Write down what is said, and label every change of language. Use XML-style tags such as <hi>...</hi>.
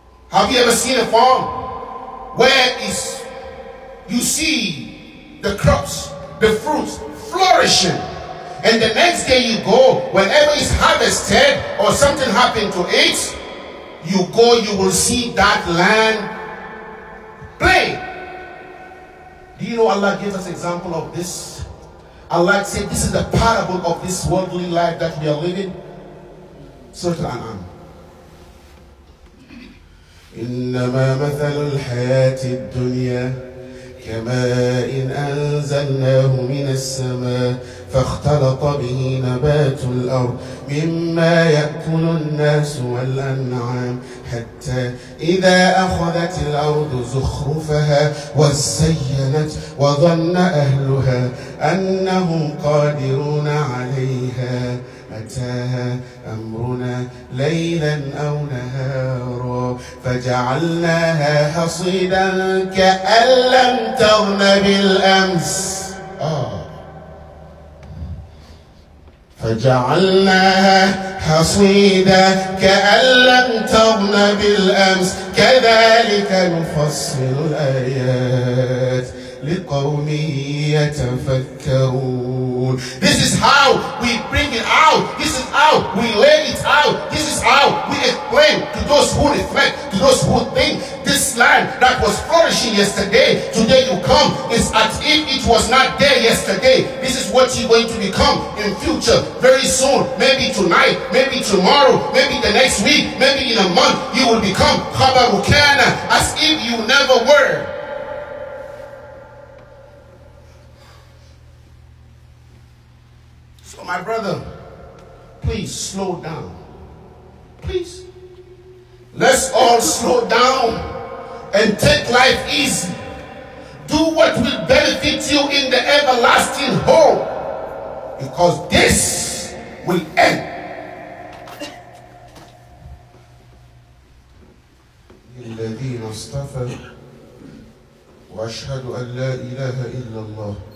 <en>Have you ever seen a farm where is you see the crops, the fruits flourishing, and the next day you go, whenever it's harvested or something happened to it, you go, you will see that land play. Do you know Allah gives us example of this? Allah said this is the parable of this worldly life that we are living. Surah Al-An'am.</en> <ar>إنما مثل الحياة الدنيا كماء أنزلناه من السماء فاختلط به نبات الأرض مما يأكل الناس والأنعام حتى إذا أخذت الأرض زخرفها وزينت وظن أهلها أنهم قادرون عليها أتاها أمرنا ليلا أو نهارا فجعلناها حصيدا كأن لم تغن بالأمس فجعلناها حصيدا كأن لم تغن بالأمس كذلك نفصل الآيات لقوم يتفكرون.</ar> <en>This is how we bring it out. This is how we lay it out. This is how we explain to those who reflect, to those who think, this land that was flourishing yesterday, today you come, is as if it was not there yesterday. This is what you're going to become in future, very soon, maybe tonight, maybe tomorrow, maybe the next week, maybe in a month, you will become khabarukana, as if you never were. My brother, please slow down. Please. Let's all slow down and take life easy. Do what will benefit you in the everlasting home, because this will end.</en> <ar>الذين اصطفى واشهد ان لا اله الا الله.</ar>